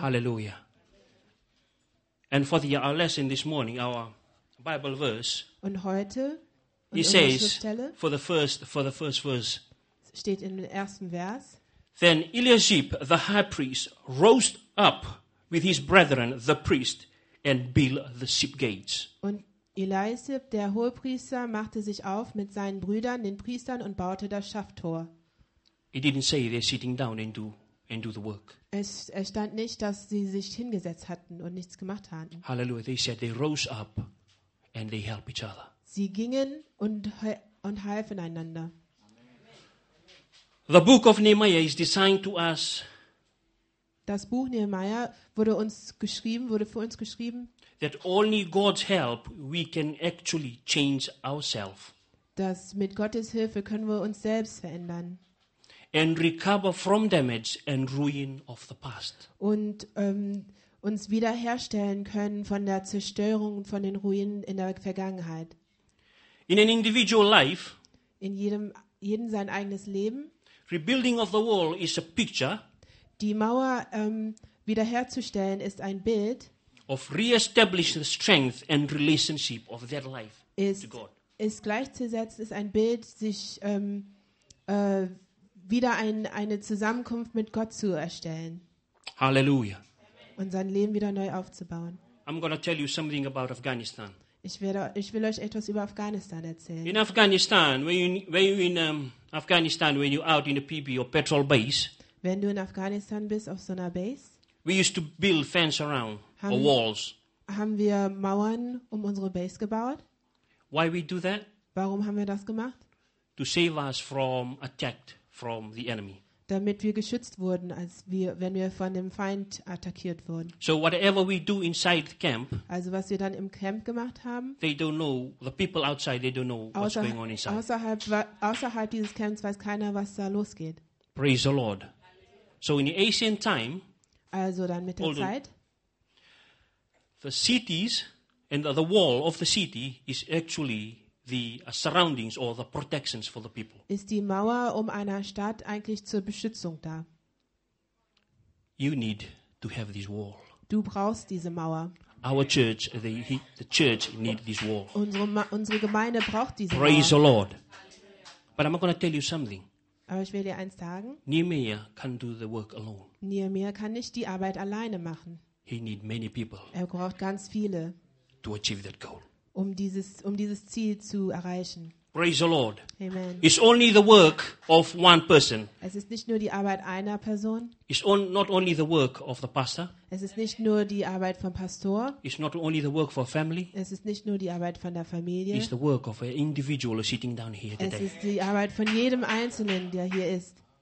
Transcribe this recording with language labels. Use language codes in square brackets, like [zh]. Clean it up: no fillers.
[en] Halleluja. And for our lesson this morning, our Bible verse. [de] Und heute, [en] he says, for the first verse. [de] Steht in dem ersten Vers. [en] Then Eliashib the high priest rose up with his brethren the priest and built the ship gates. [de] Und Eliashib der Hohepriester machte sich auf mit seinen Brüdern den Priestern und baute das Schafftor. [en] He didn't say they're sitting down and do the work. [de] Es stand nicht, dass sie sich hingesetzt hatten und nichts gemacht hatten. [en] Hallelujah. They said they rose up and they helped each other. [de] Sie gingen und halfen einander. [en] The book of Nehemiah is designed to us. [de] Das Buch Nehemiah wurde für uns geschrieben. [en] That only God's help we can actually change ourselves. [de] Dass mit Gottes Hilfe können wir uns selbst verändern. [en] And recover from damage and ruin of the past. [de] Und uns wiederherstellen können von der Zerstörung und von den Ruinen in der Vergangenheit. [en] In an individual life. [de] In jedem sein eigenes Leben. [en] Rebuilding of the wall is a picture. [de] Die Mauer wiederherzustellen ist ein Bild. [en] Of reestablishing the strength and relationship of that life to God. [de] Ist gleichzusetzen ist ein Bild, sich wieder eine Zusammenkunft mit Gott zu erstellen. Halleluja. Und sein Leben wieder neu aufzubauen. [en] I'm gonna tell you something about Afghanistan. [de] Ich will euch etwas über Afghanistan erzählen. [en] In Afghanistan, when you're in Afghanistan, when you're out in a PB or petrol base. [de] Wenn du in Afghanistan bist, auf so einer Base, [en] we used to build fence around, or walls. [de] Haben wir Mauern um unsere Base gebaut? [en] Why we do that? [de] Warum haben wir das gemacht? [en] To save us from attacked from the enemy. [de] Damit wir geschützt wurden, als wir, wenn wir von dem Feind attackiert wurden. [en] So whatever we do inside the camp, [de] also was wir dann im Camp gemacht haben, [en] they don't know, the people outside, they don't know what's going on inside. [de] Außerhalb dieses Camps weiß keiner, was da losgeht. [en] Praise the Lord. So in the ancient time, [de] also dann mit der Zeit, [en] the cities and the wall of the city is actually the surroundings or the protections for the people. [de] Ist die Mauer um einer Stadt eigentlich zur Beschützung da? [en] You need to have this wall. [de] Du brauchst diese Mauer. [en] Our church, the church need this wall. [de] Unsere Gemeinde braucht diese [en] Praise [de] Mauer. [en] Praise the Lord. But I'm going to tell you something. [de] Aber ich will dir eins sagen. [en] Nehemiah can do the work alone. [de] Nehemiah kann nicht die Arbeit alleine machen. [en] He need many people. [de] Er braucht ganz viele. [en] To achieve that goal. [de] Um dieses Ziel zu erreichen. [en] Praise the Lord. Amen. It's only the work of one person. [de] Es ist nicht nur die Arbeit einer Person. [en] It's not only the work of the pastor. [de] Es ist nicht nur die Arbeit vom Pastor. [en] It's not only the work for family. [de] Es ist nicht nur die Arbeit von der Familie. [en] It's the work of an individual sitting down here today. [de] Es ist die Arbeit von jedem Einzelnen, der hier ist.